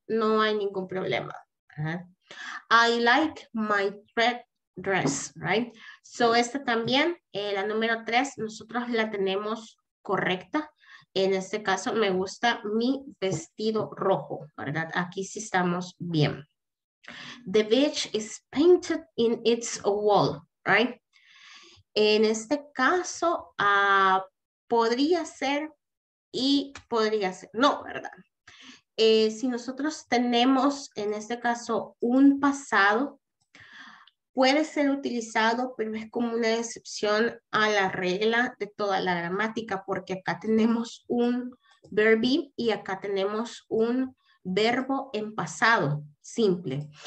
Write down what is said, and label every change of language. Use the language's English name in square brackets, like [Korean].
[Spanish] No hay ningún problema. [English] I like my red dress, right? [Spanish] So, esta también, la número 3, nosotros la tenemos correcta. En este caso, me gusta mi vestido rojo, ¿verdad? Aquí sí estamos bien. [English] The beach is painted in its wall, right? [Spanish] En este caso, podría ser y podría ser. No, ¿verdad? Si nosotros tenemos, en este caso, un pasado, puede ser utilizado, pero es como una excepción a la regla de toda la gramática, porque acá tenemos un verb y acá tenemos un verbo en pasado simple.